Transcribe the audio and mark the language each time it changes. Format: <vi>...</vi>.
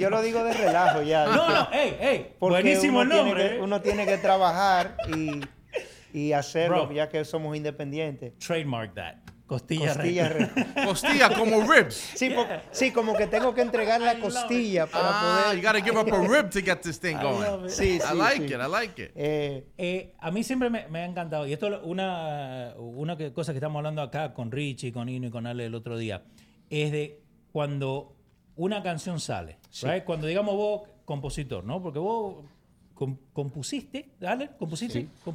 <es>Yo lo digo de relajo ya. Porque buenísimo el nombre. Uno tiene que trabajar y hacerlo, bro, ya que somos independientes.</es> <en>Trademark that. Costilla</en> <es>Rica. Costilla como ribs. Sí, yeah. Sí, como que tengo que entregar la costilla para poder...</es> <en>you gotta give up a rib to get this thing going. I like it.</en> <es>A mí siempre me ha encantado, y esto es una cosa que estamos hablando acá con Richie, con Ino y con Ale el otro día, es de cuando una canción sale,</es> <en>¿right?</en> <es>Cuando digamos vos, compositor, ¿no? Porque vos compusiste. Sí.</es>